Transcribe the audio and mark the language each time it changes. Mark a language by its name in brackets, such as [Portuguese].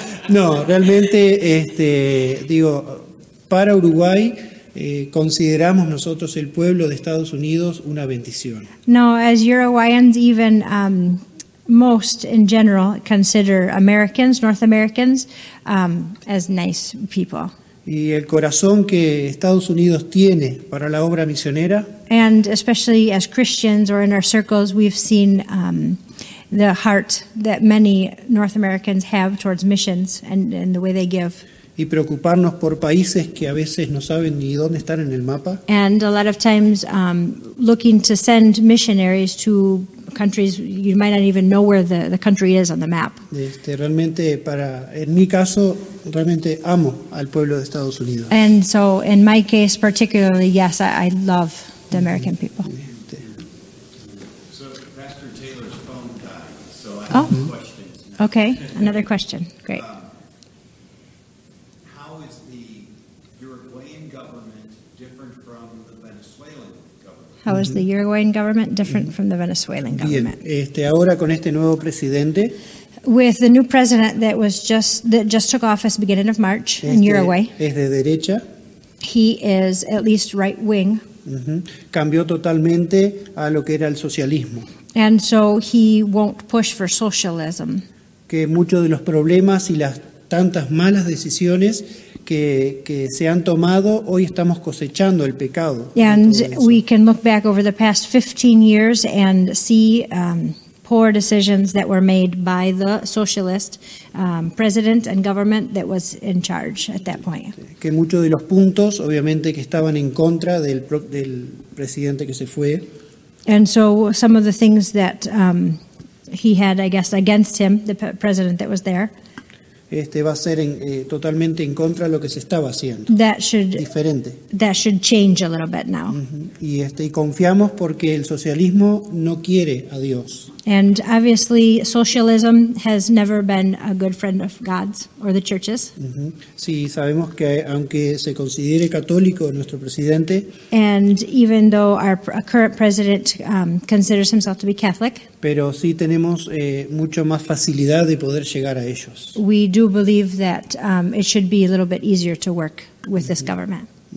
[Spanish] No, realmente, digo, para Uruguay, consideramos nosotros el pueblo de Estados Unidos una bendición. [English] No, as Uruguayans even most in general consider Americans, North Americans, as nice people. [Spanish] Y el corazón que Estados Unidos tiene para la obra misionera. [English] And especially as Christians or in our circles, we've seen the heart that many North Americans have towards missions and the way they give. [Spanish] Y preocuparnos por países que a veces no saben ni dónde están en el mapa. [English] And a lot of times looking to send missionaries to countries you might not even know where the country is on the map. [Spanish] Realmente para en mi caso realmente amo al pueblo de Estados Unidos. [English] And so in my case particularly, yes, I love the American people. So Pastor Taylor's phone died, so I have questions now. Okay, another question. Great. How is the Uruguayan government different from the Venezuelan government? How is the Uruguayan government different from the Venezuelan government? [Spanish] Bien, ahora con este nuevo presidente. [English] With the new president that just took office beginning of March in Uruguay. [Spanish] Es de derecha. [English] He is at least right wing. [Spanish] Cambió totalmente a lo que era el socialismo. [English] And so he won't push for socialism. [Spanish] Que muchos de los problemas y las tantas malas decisiones que se han tomado, hoy estamos cosechando el pecado. [English] And we can look back over the past 15 years and see poor decisions that were made by the socialist president and government that was in charge at that point. [Spanish] Que muchos de los puntos, obviamente, que estaban en contra del presidente que se fue. [English] And so some of the things that he had, I guess, against him, the president that was there. [Spanish] Va a ser totalmente en contra de lo que se estaba haciendo. Diferente. [English] That should change a little bit now. [Spanish] Y confiamos porque el socialismo no quiere a Dios. [English] And obviously, socialism has never been a good friend of God's or the church's. [Spanish] Sí, sabemos que aunque se considere católico nuestro presidente, [English] and even though our current president considers himself to be Catholic, [Spanish] pero sí tenemos mucho más facilidad de poder llegar a ellos. [English] We do believe that it should be a little bit easier to work with this government.